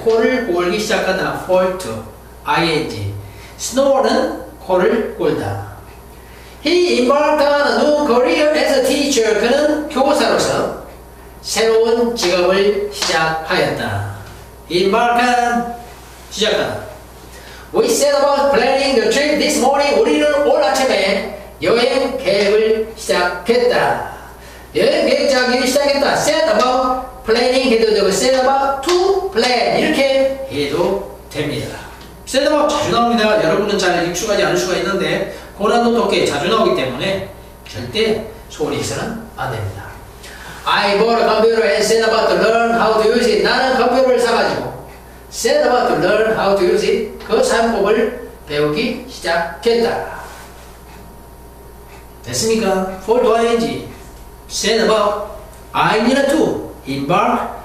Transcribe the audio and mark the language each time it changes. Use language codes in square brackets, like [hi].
[ko] 코를 골기 시작한다. [en] Fall to ing. Snore는 [ko] 코를 골다. [en] He embarked on a new career as a teacher. [ko] 그는 교사로서 새로운 직업을 시작하였다. Embarked on 시작한다. [en] We set about planning the trip this morning. [ko] 우리는 오늘 아침에 여행 계획을 시작했다. 여행 계획 짜기 시작했다. [en] Set about planning [ko] 해도 되고 [en] set about to plan [ko] 이렇게 해도 됩니다. set about 자주 나옵니다. 여러분은 잘 익숙하지 않을 수가 있는데 고난도 높게 자주 나오기 때문에 절대 소홀히 해서는 안 됩니다. [en] I bought a computer and set about to learn how to use it. [ko] 나는 컴퓨터를 사가지고 [en] set about to learn how to use it. [ko] 그 사용법을 배우기 시작했다. 됐습니까? [en] for to ing set about I need a to embark,